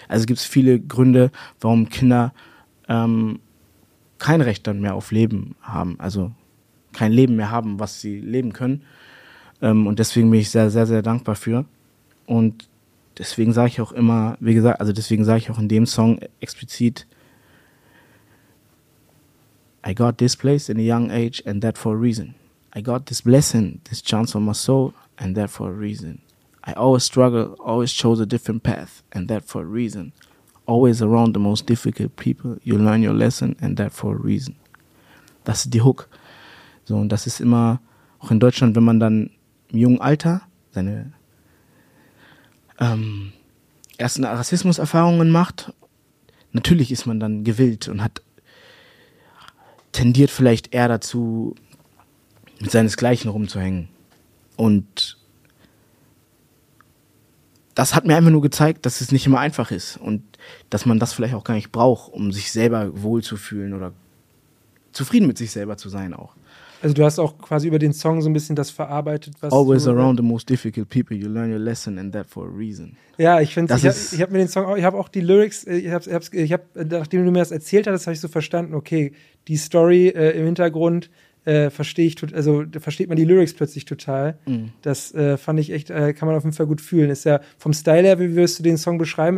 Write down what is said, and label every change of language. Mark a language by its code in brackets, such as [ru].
[de] Also gibt es viele Gründe, warum Kinder kein Recht dann mehr auf Leben haben, also kein Leben mehr haben, was sie leben können. Und deswegen bin ich sehr, sehr, sehr dankbar für. Und deswegen sage ich auch immer, wie gesagt, also deswegen sage ich auch in dem Song explizit, [en] I got this place in a young age and that for a reason. I got this blessing, this chance on my soul and that for a reason. I always struggle, always chose a different path and that for a reason. Always around the most difficult people, you learn your lesson and that for a reason. [de] Das ist die Hook. So, und das ist immer, auch in Deutschland, wenn man dann im jungen Alter seine ersten Rassismuserfahrungen macht, natürlich ist man dann gewillt und hat tendiert vielleicht eher dazu, mit seinesgleichen rumzuhängen. Und das hat mir einfach nur gezeigt, dass es nicht immer einfach ist und dass man das vielleicht auch gar nicht braucht, um sich selber wohlzufühlen oder zufrieden mit sich selber zu sein auch. Also du hast auch quasi über den Song so ein bisschen das verarbeitet, was [en] Always around the most difficult people, you learn your lesson and that for a reason. [de] Ja, ich finde, ich hab mir den Song, ich habe auch die Lyrics, ich hab, nachdem du mir das erzählt hast, habe ich so verstanden, okay, die Story im Hintergrund verstehe ich, also da versteht man die Lyrics plötzlich total. Mm. Das fand ich echt, kann man auf jeden Fall gut fühlen. Ist ja vom Style her, wie würdest du den Song beschreiben?